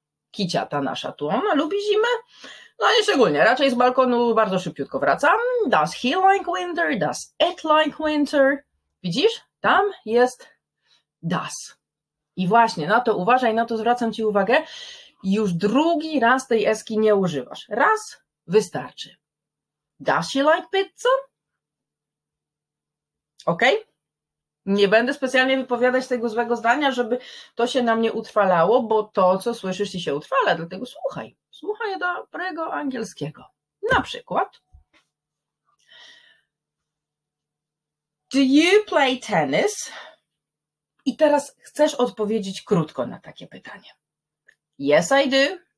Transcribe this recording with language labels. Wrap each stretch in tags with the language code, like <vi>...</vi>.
<pl>Kicia ta nasza tu, ona lubi zimę? No nie szczególnie, raczej z balkonu bardzo szybciutko wracam.</pl> <en>Does he like winter? Does it like winter?</en> <pl>Widzisz? Tam jest does. I właśnie na to uważaj, na to zwracam ci uwagę. Już drugi raz tej eski nie używasz. Raz wystarczy.</pl> <en>Does she like pizza? Okay?</en> <pl>Nie będę specjalnie wypowiadać tego złego zdania, żeby to się na mnie utrwalało, bo to, co słyszysz, ci się utrwala. Dlatego słuchaj. Słuchaj dobrego angielskiego. Na przykład.</pl> <en>Do you play tennis?</en> <pl>I teraz chcesz odpowiedzieć krótko na takie pytanie.</pl> <en>Yes, I do.</en>